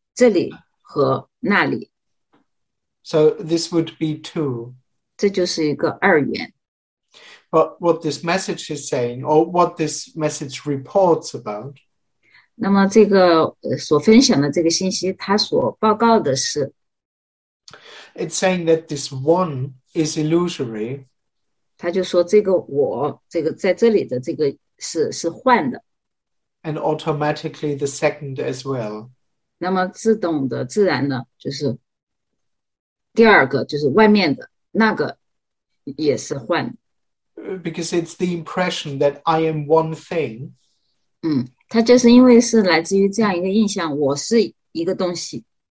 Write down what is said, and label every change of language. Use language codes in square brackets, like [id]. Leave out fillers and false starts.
[zh] 那么就是对于个人来说，他最基本的一个体验就是这里和那里。 [en] So this would be two. [zh] 这就是一个二元。 [en] But what this message is saying, or what this message reports about, [zh] 那么这个所分享的这个信息，它所报告的是。 [en] It's saying that this one is illusory. [zh] 他就说这个我,这个在这里的这个是幻的。 [en] And automatically the second as well. [zh] 那么自动的自然的,就是第二个,就是外面的,那个也是幻的。 [en] Because it's the impression that I am one thing. [zh] 它就是因为是来自于这样一个印象,我是一个东西。